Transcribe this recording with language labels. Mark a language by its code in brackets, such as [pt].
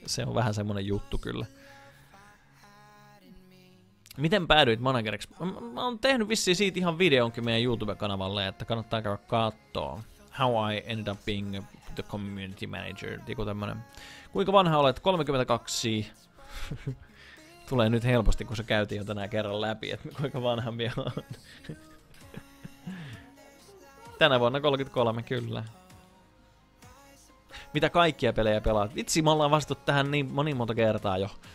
[fi] Se on vähän semmonen juttu kyllä. Miten päädyit manageriksi? Mä oon tehnyt vissiin siitä ihan videonkin meidän YouTube-kanavalle, että kannattaa käydä kattoo. [en] How I ended up being the community manager. [fi] Joku tämmönen. Kuinka vanha olet? 32. Tulee nyt helposti, kun se käytiin jo tänään kerran läpi, että kuinka vanha vielä on. Tänä vuonna 33, kyllä. Mitä kaikkia pelejä pelaat? Vitsi, me ollaan vastattu tähän niin moni monta kertaa jo.